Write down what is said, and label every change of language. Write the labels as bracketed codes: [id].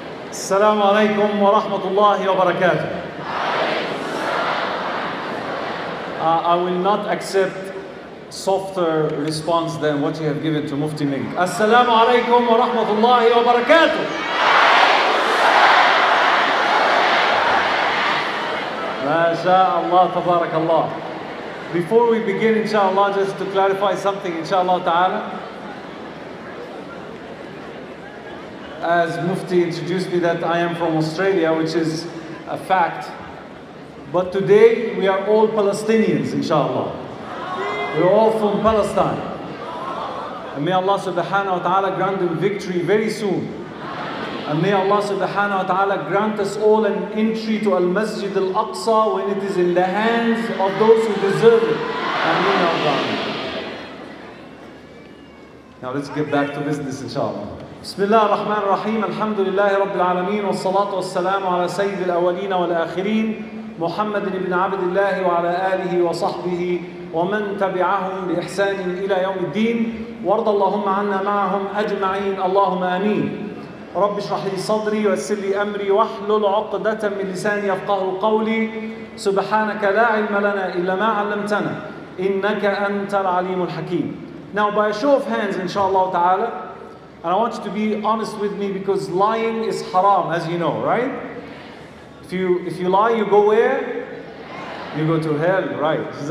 [ar] السلام عليكم ورحمة الله وبركاته. [en] I will not accept softer response than what you have given to Mufti Ming. [ar] السلام عليكم ورحمة الله وبركاته. ما شاء الله تبارك الله. [en] Before we begin, inshallah, just to clarify something, inshallah ta'ala. As Mufti introduced me, that I am from Australia, which is a fact. But today we are all Palestinians, inshallah. We're all from Palestine. And may Allah subhanahu wa ta'ala grant them victory very soon. And may Allah subhanahu wa ta'ala grant us all an entry to Al Masjid Al Aqsa when it is in the hands of those who deserve it. Ameen Allah. Now let's get back to business, inshallah. [ar] بسم الله الرحمن الرحيم الحمد لله رب العالمين والصلاة والسلام على سيد الأولين والآخرين محمد بن عبد الله وعلى آله وصحبه ومن تبعهم بإحسان إلى يوم الدين وارض اللهم عنا معهم أجمعين اللهم آمين رب اشرح لي صدري ويسر لي أمري واحلل عقدة من لساني يفقهوا قولي سبحانك لا علم لنا إلا ما علمتنا إنك أنت العليم الحكيم. [en] Now by a show of hands, inshallah ta'ala. And I want you to be honest with me, because lying is haram, as you know, right? If you lie, you go where? You go to hell, right?